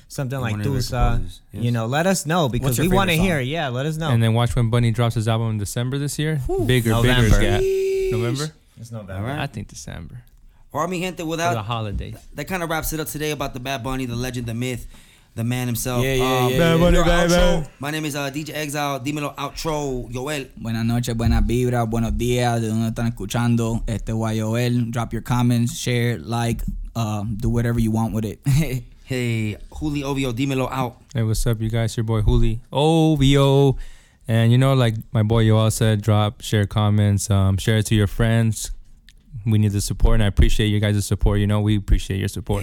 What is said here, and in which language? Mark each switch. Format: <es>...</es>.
<en>Something like Tusa. Yes. You know, let us know because we want to hear. Yeah, let us know. And then watch when Bunny drops his album in December this year. Whew. Bigger, November. Bigger. Yeah. November? It's November. Right. I think December. Or mi gente, without for the holidays. That kind of wraps it up today about the Bad Bunny, the legend, the myth, the man himself. My name is DJ Exile.</en> <es>Dímelo outro,</es> <en>Joel.</en> <es>Buenas noches, buenas vibras, buenos días. De donde están escuchando. Este es Joel.</es> <en>Drop your comments, share, like, do whatever you want with it. Hey, Juli Ovio,</en> <es>dímelo out.</es> <en>Hey, what's up, you guys? Your boy, Juli Ovio. And you know, like my boy Joel said, drop, share comments, share it to your friends. We need the support, and I appreciate you guys' support. You know, we appreciate your support.</en>